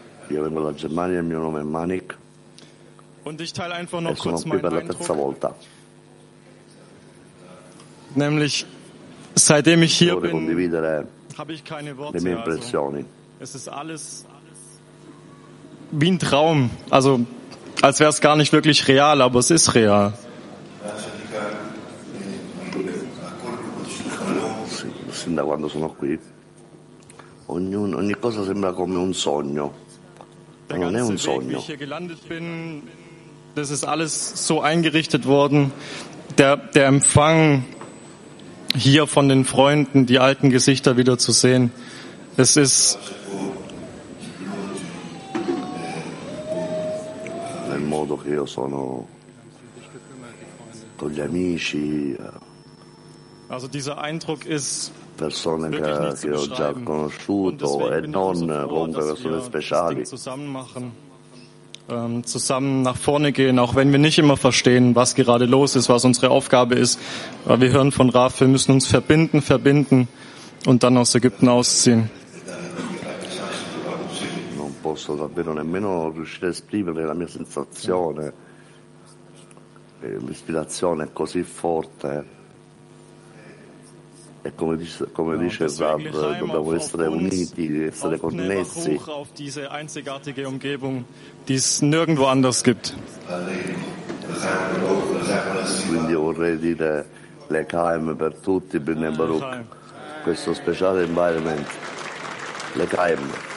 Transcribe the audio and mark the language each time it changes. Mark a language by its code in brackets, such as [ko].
[it] Io vengo da Germania, il mio nome è Manik. [de] Und ich teile einfach noch kurz meinen Eindruck. [it] Per la terza volta. [de] Nämlich seitdem ich hier bin, habe ich keine Worte mehr. Also, es ist alles wie ein Traum. Also, als wäre es gar nicht wirklich real, aber es ist real. [it] Sin da quando sono qui, ogni cosa sembra come un sogno. Non è un sogno. [de] Ich hier gelandet bin, das ist alles so eingerichtet worden. Der Empfang hier von den Freunden, die alten Gesichter wieder zu sehen. Es ist [it] nel modo che io sono con gli amici. [de] Also dieser Eindruck ist [it] persone che ho già conosciuto e non comunque persone speciali. [de] Zusammen nach vorne gehen, auch wenn wir nicht immer verstehen, was gerade los ist, was unsere Aufgabe ist. Weil wir hören von Raf, wir müssen uns verbinden und dann aus Ägypten ausziehen. [it] Non posso davvero nemmeno riuscire a esprimere la mia sensazione. L'ispirazione è così forte. E come dice Raf, dobbiamo essere uniti, essere connessi. [de] Auf diese einzigartige Umgebung, die es nirgendwo anders gibt. [it] Quindi vorrei dire le Kaim per tutti, Bnei Baruch, questo speciale environment. [he] Le Kaim.